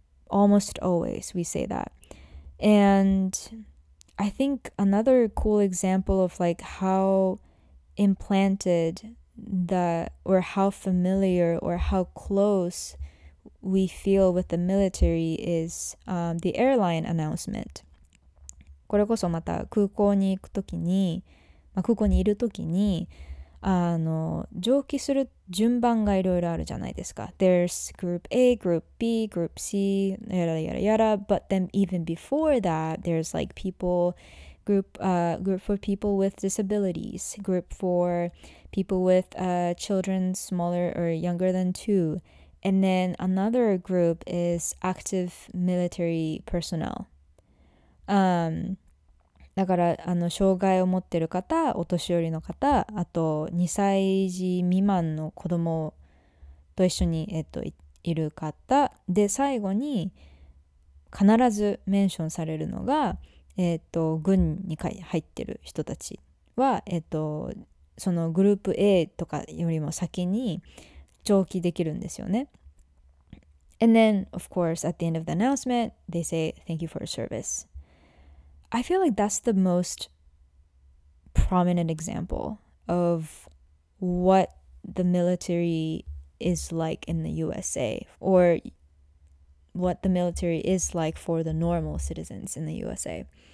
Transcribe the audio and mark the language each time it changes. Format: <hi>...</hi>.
<en>Almost always we say that. And I think another cool example of like how implanted the, or how familiar or how close we feel with the military is the airline announcement.</en> <ja>これこそまた空港に行くときに、まあ、空港にいるときに、乗機する順番がいろいろあるじゃないですか。</ja> <en>There's group A, group B, group C, yada yada yada. But then even before that, there's like people, group for people with disabilities, group for people with children smaller or younger than two. And then another group is active military personnel.</en> <ja>だから障害を持ってる方、お年寄りの方、あと2歳児未満の子供と一緒に、いる方で、最後に必ずメンションされるのが、軍に入ってる人たちは、そのグループ A とかよりも先に上記できるんですよね。</ja> <en>And then of course at the end of the announcement they say thank you for your serviceI feel like that's the most prominent example of what the military is like in the USA, or what the military is like for the normal citizens in the USA.</en>